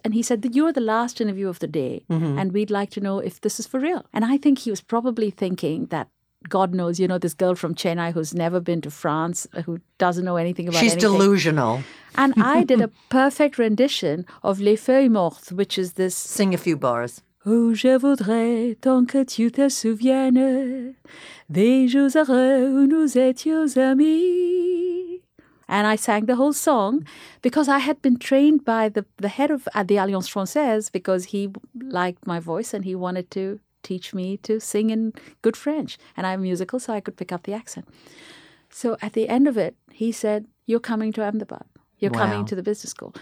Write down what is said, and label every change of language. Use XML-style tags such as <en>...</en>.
<en>And he said, you are the last interview of the day, mm-hmm, and we'd like to know if this is for real. And I think he was probably thinking that, God knows, you know, this girl from Chennai who's never been to France, who doesn't know anything about She's anything. She's delusional. And I did a perfect rendition of Les Feuilles Mortes, which is this... Sing a few bars.</en> <fr>Oh, je voudrais tant que tu te souviennes des jours heureux où nous étions amis.</fr> <en>And I sang the whole song because I had been trained by the head of the Alliance Française because he liked my voice and he wanted to teach me to sing in good French. And I'm musical, so I could pick up the accent. So at the end of it, he said, you're coming to Ahmedabad. You're wow. coming to the business school.</en>